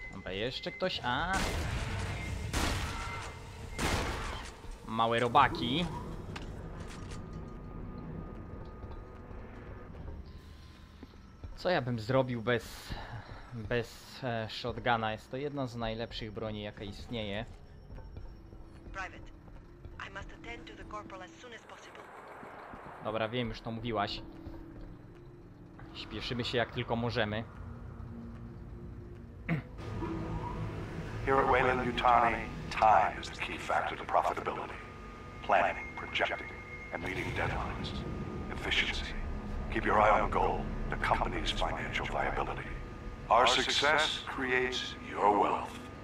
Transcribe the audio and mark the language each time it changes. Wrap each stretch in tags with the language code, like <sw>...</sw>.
<pl>Jeszcze ktoś? A małe robaki. Co ja bym zrobił bez shotguna? Jest to jedna z najlepszych broni, jaka istnieje.</pl> <en>Private, I must attend to the corporal as soon as possible.</en> <pl>Dobra, wiem, już to mówiłaś. Śpieszymy się jak tylko możemy.</pl> <en>Here at Weyland-Yutani, time is the key factor to profitability. Planning, projecting, and meeting deadlines. Efficiency. Keep your eye on goal, the company's financial viability. Our success creates your wealth.</en>